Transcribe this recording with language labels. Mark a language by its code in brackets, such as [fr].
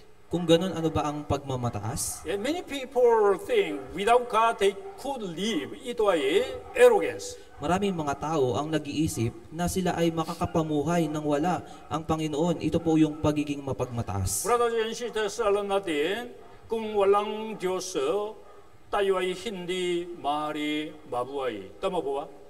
[tl] Kung gano'n, ano ba ang pagmamataas? [en] Yeah, many people think without God they could live. [tl] Ito ay arrogance. Maraming mga tao ang nag-iisip na sila ay makakapamuhay nang wala ang Panginoon. Ito po yung pagiging mapagmataas. [en] Brothers and sisters, [tl] alam natin, kung walang Diyos, tayo ay hindi mahari mabuhay. Tama po ba?